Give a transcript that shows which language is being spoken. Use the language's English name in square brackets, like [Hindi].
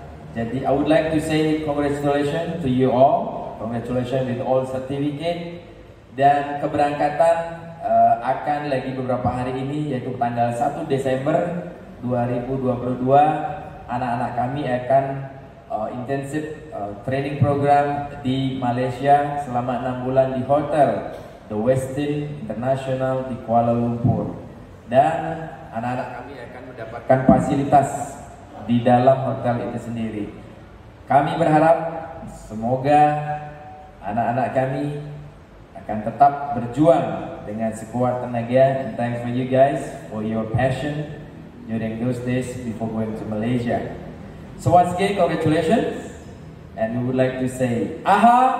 [English] Jadi, I would like to say congratulations to you all. Congratulations with all certificate. [Indonesian] Dan keberangkatan akan lagi beberapa hari ini, yaitu tanggal 1 Desember 2022. Anak-anak kami akan intensif training program di Malaysia selama 6 bulan di Hotel The Westin International di Kuala Lumpur. Dan anak-anak kami akan mendapatkan fasilitas di dalam hotel itu sendiri. Kami berharap semoga anak-anak kami akan tetap berjuang dengan sekuat tenaga. [English] And thanks for you guys for your passion during those days before going to Malaysia. So once again, congratulations. And we would like to say, AHA!